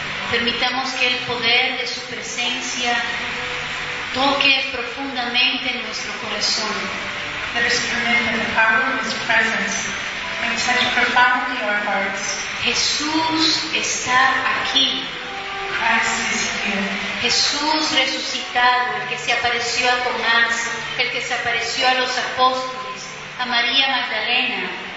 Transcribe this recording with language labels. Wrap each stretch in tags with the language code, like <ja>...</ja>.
<es>Permitamos que el poder de su presencia toque profundamente nuestro corazón.</es> <en>Let us permit that the power of his presence may touch profoundly our hearts.</en> <es>Jesús está aquí.</es> <en>Christ is here.</en> <es>Jesús resucitado, el que se apareció a Tomás, el que se apareció a los apóstoles, a María Magdalena.</es>